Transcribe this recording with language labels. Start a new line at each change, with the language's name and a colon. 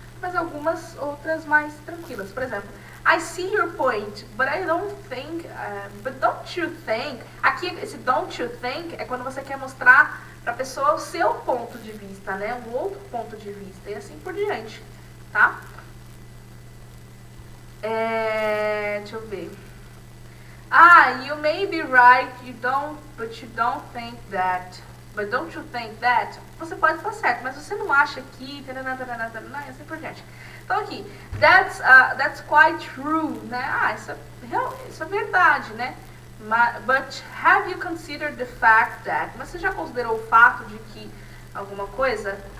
Portuguese: Mas algumas outras mais tranquilas. Por exemplo,
English: I see your point, but I don't think, but don't you think,
Portuguese: aqui esse don't you think é quando você quer mostrar pra pessoa o seu ponto de vista, né? O outro ponto de vista e assim por diante, tá? Deixa eu ver.
English: Ah, you may be right, but you don't think that. But don't you think that?
Portuguese: Você pode estar certo, mas você não acha que... Tarana, tarana, tarana, e assim por diante. Então aqui,
English: that's quite true,
Portuguese: né? Ah, isso é verdade, né?
English: But have you considered the fact that...
Portuguese: Mas você já considerou o fato de que alguma coisa?